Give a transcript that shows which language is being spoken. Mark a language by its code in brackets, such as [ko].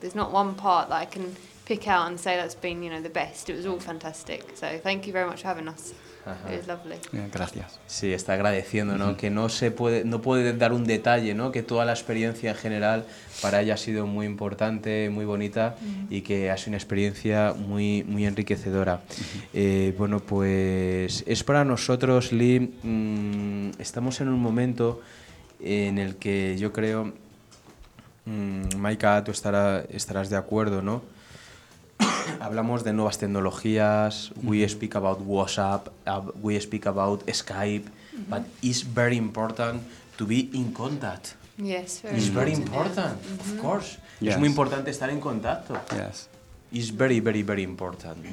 [en] There's not one part that I can pick out and say that's been, you know, the best. It was all fantastic. So thank you very much for having us. Uh-huh. It was lovely. Yeah, [es] gracias. Sí, está agradeciendo, ¿no? Mm-hmm. Que no puede dar un detalle, ¿no? Que toda la experiencia en general para ella ha sido muy importante, muy bonita, mm-hmm. y que ha sido una experiencia muy, muy enriquecedora. Mm-hmm. Bueno, pues es para nosotros, Lee, estamos en un momento en el que yo creo, Maika, tú estarás de acuerdo, ¿no? Hablamos de nuevas tecnologías, [en] we speak about WhatsApp, we speak about Skype, but it's very important to be in contact. Yes, very important. Yeah. Of course. Yes. [es] Es muy importante estar en contacto. [en] Yes. It's very, very, very important.